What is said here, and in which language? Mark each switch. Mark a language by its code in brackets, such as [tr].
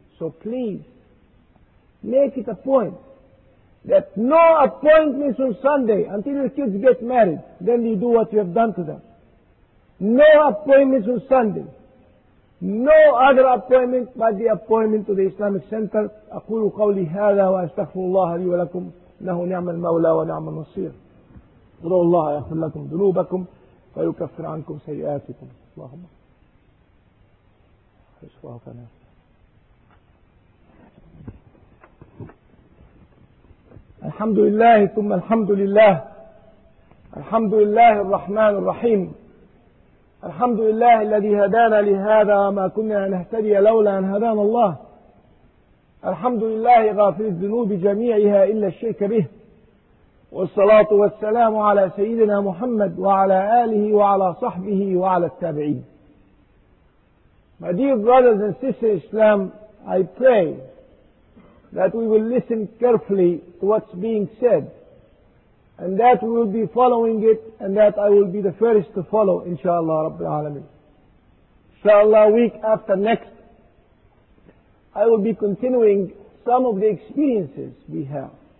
[en] So please, make it a point that no appointments on Sunday until your kids get married, then you do what you have done to them. No appointments on Sunday. No other appointment but the appointment to the Islamic Center. [ar] أقول قولي هذا وأستغفر الله لي ولكم إنه نعم المولى ونعم النصير. أدعو الله يغفر لكم ذنوبكم ويكفر عنكم سيئاتكم. اللهم اشفعنا. الحمد لله ثم الحمد لله. الحمد لله الرحمن الرحيم. الحمد لله الذي هدانا لهذا وما كنا لنهتدي لولا أن هدانا الله. الحمد لله غافر الذنوب جميعها إلا الشرك به. والصلاة والسلام على سيدنا محمد وعلى آله وعلى صحبه وعلى التابعين. [en] My dear brothers and sisters in Islam, I pray that we will listen carefully to what's being said and that we will be following it and that I will be the first to follow, inshallah, Rabbil Alameen. Inshallah, week after next, I will be continuing some of the experiences we have.